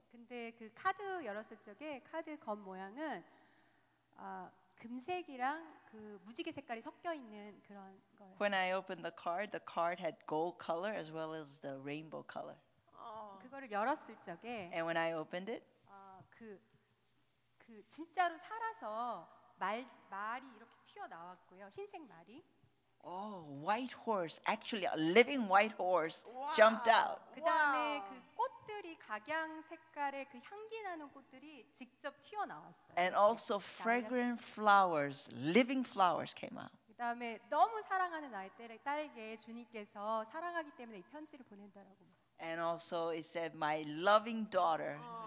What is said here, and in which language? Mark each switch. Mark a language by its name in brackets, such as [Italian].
[Korean] 근데 그 카드 열었을 적에 카드 겉 모양은 금색이랑 그 무지개 색깔이 섞여 있는 그런 거예요. [English] When I opened the card had gold color as well as the rainbow color. [Korean] 그거를 열었을 적에 [English] And when I opened it? [Korean] 그 진짜로 살아서 말이 이렇게 튀어 나왔고요. 흰색 말이. [English] Oh, white horse. Actually, a living white horse jumped out. [Korean] 그다음에 wow. 그 꽃들이 각양 색깔의 그 향기 나는 꽃들이 직접 튀어 나왔어요. [English] And also fragrant flowers, living flowers came out. [Korean] 그다음에 너무 사랑하는 아이 딸에게 주님께서 사랑하기 때문에 이 편지를 보낸다라고. [English] And also it said my loving daughter.